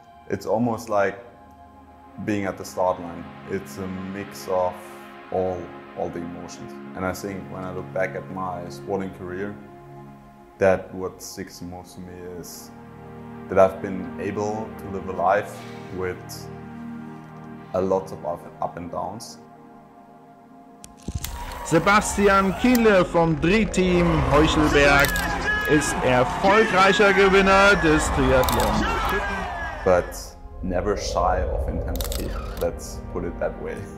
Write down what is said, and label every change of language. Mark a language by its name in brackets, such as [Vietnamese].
[English] It's almost like being at the start line. It's a mix of all the emotions. And I think when I look back at my sporting career, that what sticks most to me is that I've been able to live a life with a lot of up and downs. [German] Sebastian Kienle vom Drehteam Heuchelberg ist erfolgreicher Gewinner des Triathlons. [English] But never shy of intensity, let's put it that way.